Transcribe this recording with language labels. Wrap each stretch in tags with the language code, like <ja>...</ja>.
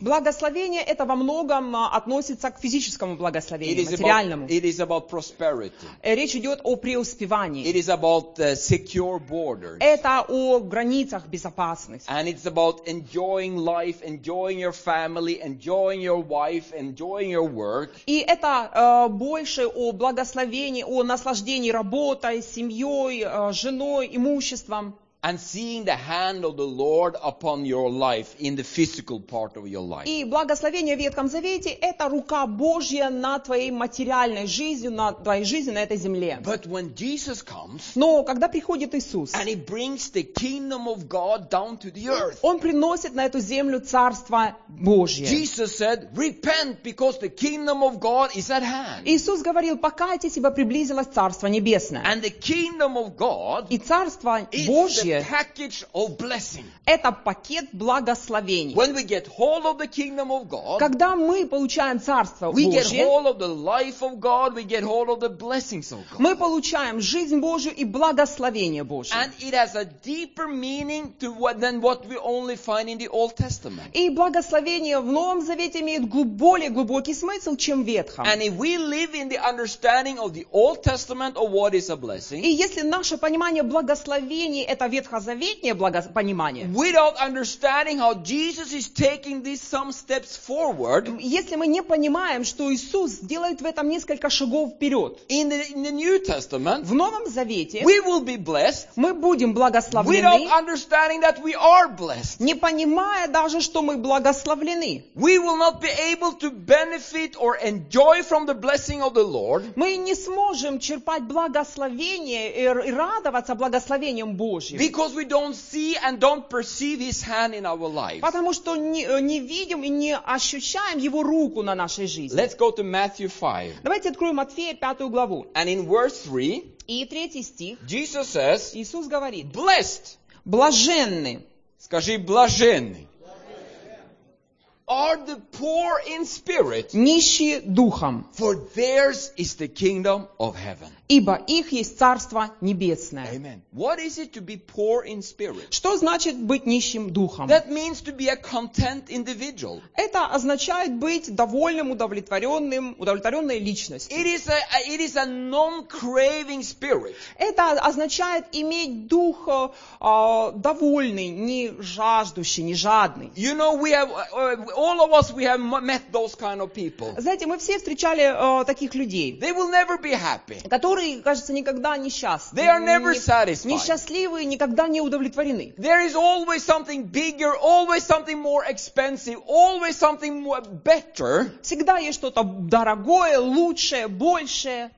<ru>Благословение это во многом относится к физическому благословению, материальному.</ru> <en>It is about prosperity.</en> <ru>Речь идет о преуспевании.</ru> <en>It is about secure borders.</en> <ru>Это о границах безопасности.</ru> <en>And it's about enjoying life, enjoying your family, enjoying your wife, enjoying your work.</en> <ru>И это больше о благословении, о наслаждении работой, семьей, женой.</ru> <en>And seeing the hand of the Lord upon your life in the physical part of your life.</en> <ru>И благословение в Ветхом Завете это рука Божья на твоей материальной жизни, на твоей жизни на этой земле.</ru> <en>But when Jesus comes,</en> <ru>но когда приходит Иисус,</ru> <en>and He brings the kingdom of God down to the earth,</en> <ru>Он приносит на эту землю Царство Божье.</ru> <en>Jesus said, "Repent, because the kingdom of God is at hand."</en> <ru>Иисус говорил, покайтесь, ибо приблизилось Царство Небесное.</ru> <en>And the kingdom of God,</en> <ru>и Царство Божье.</ru> <en>Package of blessing.</en> <ru>Это пакет благословений.</ru> <en>When we get hold of the kingdom of God,</en> <ru>когда мы получаем Царство Божие,</ru> <en>we get hold of the life of God, we get hold of the blessings of God.</en> <ru>Мы получаем жизнь Божию и благословение Божие.</ru> <en>And it has a deeper meaning to what, than what we only find in the Old Testament.</en> <ru>И благословение в Новом Завете имеет более глубокий смысл, чем в Ветхом.</ru> <en>And if we live in the understanding of the Old Testament of what is a blessing,</en> <ru>и если наше понимание благословения это ветхозаветнее понимание.</ru> <en>Without understanding how Jesus is taking these some steps forward,</en> <ru>если мы не понимаем, что Иисус делает в этом несколько шагов вперед,</ru> <en>in the New Testament,</en> <ru>в Новом Завете,</ru> <en>we will be blessed,</en> <ru>мы будем благословлены,</ru> <en>without understanding that we are blessed,</en> <ru>не понимая даже, что мы благословлены,</ru> <en>we will not be able to benefit or enjoy from the blessing of the Lord,</en> <ru>мы не сможем черпать благословение и радоваться благословением Божьим.</ru> <en>Because we don't see and don't perceive His hand in our life.</en> <ru>Потому что не видим и не ощущаем Его руку на нашей жизни.</ru> <en>Let's go to Matthew 5.</en> <ru>Давайте откроем Матфея 5 главу.</ru> <en>And in verse 3,</en> <ru>и 3 стих,</ru> <en>Jesus says,</en> <ru>Иисус говорит,</ru> <en>blessed,</en> <ru>блаженны, скажи, блаженны,</ru> <en>are the poor in spirit,</en> <ru>нищие духом,</ru> <en>for theirs is the kingdom of heaven.</en> <ru>Ибо их есть Царство Небесное.</ru> <en>Amen. What is it to be poor in spirit?</en> <ru>Что значит быть нищим духом?</ru> <en>That means to be a content individual.</en> <ru>Это означает быть довольным, удовлетворенным, удовлетворенной личностью.</ru> <en>It is a non-craving spirit.</en> <ru>Это означает иметь дух довольный, не жаждущий, не жадный.</ru> <en>You know, we have, all of us, we have met those kind of people.</en> <ru>Знаете, мы все встречали таких людей.</ru> <en>They will never be happy.</en> <ru>Которые, кажется, никогда несчастливы, никогда не удовлетворены.</ru> <en>There is always something bigger, always something more expensive, always something better.</en> <ru>Всегда есть что-то дорогое, лучшее, большее.</ru>